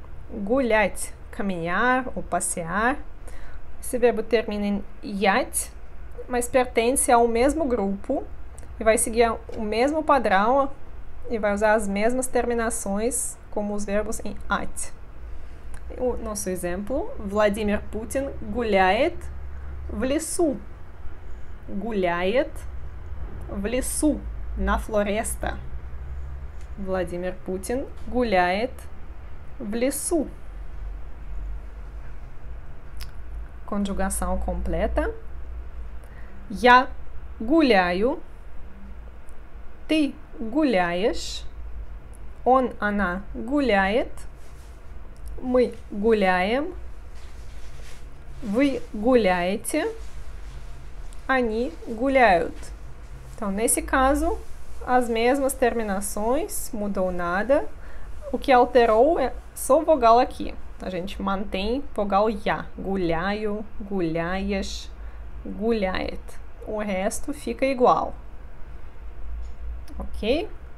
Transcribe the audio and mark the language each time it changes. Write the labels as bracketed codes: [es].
[pt] Гулять, caminhar ou passear. Esse verbo termina em ять, mas pertence ao mesmo grupo. E vai seguir o mesmo padrão e vai usar as mesmas terminações como os verbos em "-ать". O nosso exemplo: Vladimir Putin [ru] гуляет в лесу. Гуляет в лесу, [pt] на флореста. [ru] Vladimir Putin гуляет в лесу. [pt] Conjugação completa: [ru] Я гуляю, ты гуляешь, он, она гуляет, мы гуляем, вы гуляете, они гуляют. [pt] Então, nesse caso, as mesmas terminações, mudou nada. O que alterou é só o vogal aqui. A gente mantém vogal ya. [ru] Gulhaio, gulhaias, gulhaet. [pt] O resto fica igual. Ok?